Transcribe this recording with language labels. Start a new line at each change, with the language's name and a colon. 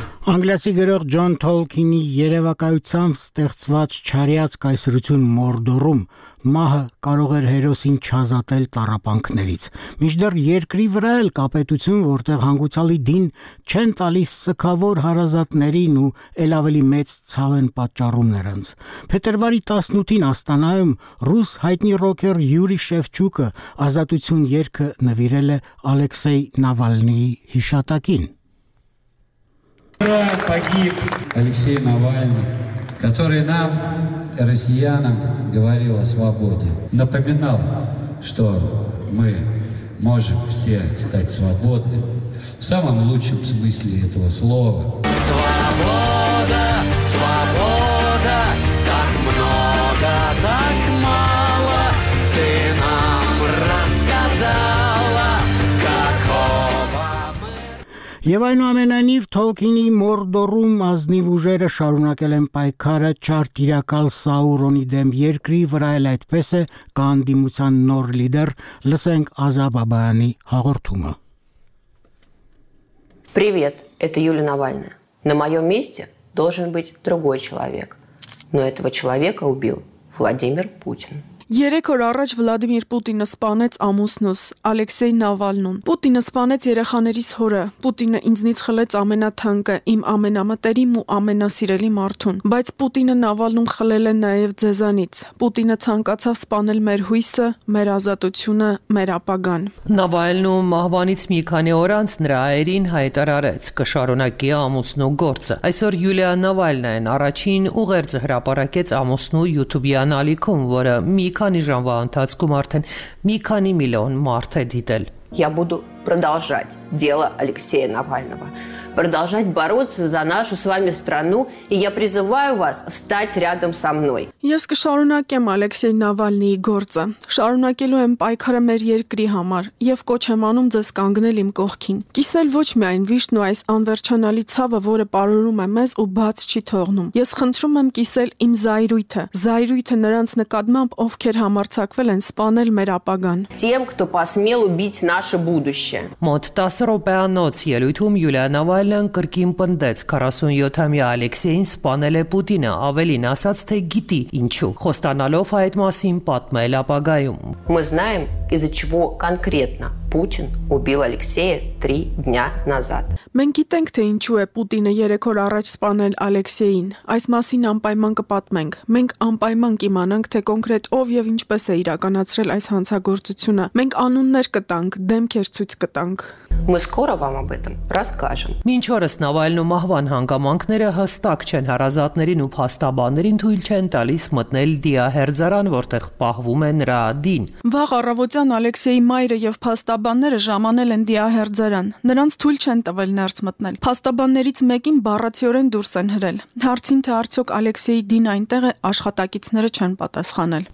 Armenian: Անգլիացի գրող Ջոն Թոլքինի երևակայությամբ ստեղծված չարյած կայսրություն Մորդորում մահը կարող էր հերոսին չազատել տառապանքներից։ Մինչդեռ երկրի վրա էլ կա պետություն, որտեղ հանգուցալի դին չեն տալիս սգավոր հարազատներին ու էլ ավելի մեծ ցավ են պատճառում նրանց։ Փետրվարի 18-ին Աստանայում ռուս հայտնի ռոքեր Յուրի Շևչուկը ազատություն երգը նվիրել է Ալեքսեյ Նավալնիի հիշատակին։
Russian: Погиб Алексей Навальный, который нам, россиянам, говорил о свободе. Напоминал, что мы можем все стать свободными в самом лучшем смысле этого слова. Свобода, свобода, как много, так мало ты нам рассказала, какого мы...
Armenian: Եվ այնուամենայնիվ Թոլկինի Մորդորում ազնիվ ուժերը շարունակել են պայքարը չար տիրակալ Սաուրոնի դեմ երկրի վրա, էլ այդպես է կանդիմության նոր լիդեր, լսենք Ազա Բաբայանի հաղորդումը.
Russian: Привет, это Юлия Навальная. На моем месте должен быть другой человек. Но этого человека убил Владимир Путин.
Armenian: Երեք օր առաջ Վլադիմիր Պուտինը սպանեց ամուսնուս, Ալեքսեյ Նավալնուն։ Պուտինը սպանեց երեխաներիս հորը։ Պուտինը ինձնից խլեց ամենաթանկը, իմ ամենամտերիմ ու ամենասիրելի մարդուն։ Բայց Պուտինը Նավալնուն խլել է նաև ձեզանից։ Պուտինը ցանկացավ սպանել մեր հույսը, մեր ազատությունը, մեր ապագան։ Նավալնուն մահվանից մի քանի օր անց նրա հայրին հայտարարեց, կշարունակի ամուսնու գործը։ Այսօր Յուլիա Նավալնայն առաջին ուղերձը հրապարակեց ամուսնու YouTube-յան ալիքում, որը մի քանի ժամվա ընթացքում արդեն մի քանի միլիոն մարդ է դիտել։
Russian: Я буду продолжать дело Алексея Навального, продолжать бороться за нашу с вами страну, и я призываю вас встать рядом со мной.
Armenian: Ես կշարունակեմ Ալեքսեյ Նավալնիի գործը, շարունակելու եմ պայքարը մեր երկրի համար, եւ կոչ եմ անում ձեզ կանգնել իմ կողքին, կիսել ոչ միայն վիշտն ու այս անվերջանալի ցավը, որը պարուրում է մեզ ու բաց չի թողնում, ես խնդրում եմ կիսել իմ զայրույթը, զայրույթը նրանց նկատմամբ, ովքեր համարձակվել են սպանել մեր ապագան,
Russian: тем, кто посмел убить наше будущее.
Armenian: Մոտ 10 րոպե անց ելույթում Յուլիա Նավալնան կրկին պնդեց 47-ամյա Ալեքսեյին սպանել է Պուտինը, ավելին ասաց, թե գիտի ինչու, խոստանալով այդ մասին պատմել ապագայում.
Russian: Мы знаем, из-за чего конкретно Путин убил Алексея 3 дня назад.
Armenian: Մենք գիտենք, թե ինչու է Պուտինը 3 օր առաջ սպանել Ալեքսեյին։ Այս մասին անպայման կպատմենք։ Մենք անպայման կիմանանք, թե կոնկրետ ով եւ ինչպես է իրականացրել այս հանցագործությունը։ Մենք անուններ կտանք, դեմքեր ցույց կտանք։
Russian: Мы скоро вам об этом расскажем.
Armenian: Մինչ օրս Նավալնու մահվան հանգամանքները հստակ չեն, հարազատներին ու փաստաբաններին թույլ չեն տալիս մտնել դիահերձարան, որտեղ պահվում է նրա դին։ Վաղ առավոտյան Ալեքսեյի մայրը եւ փաստաբանները ժամանել են դիահերձարան։ Նրանց թույլ չեն տվել ներս մտնել։ Փաստաբաններից մեկին բառացիորեն դուրս են հրել։ Հարցին, թե արդյոք Ալեքսեյի դին այնտեղ է, աշխատակիցները չեն պատասխանել։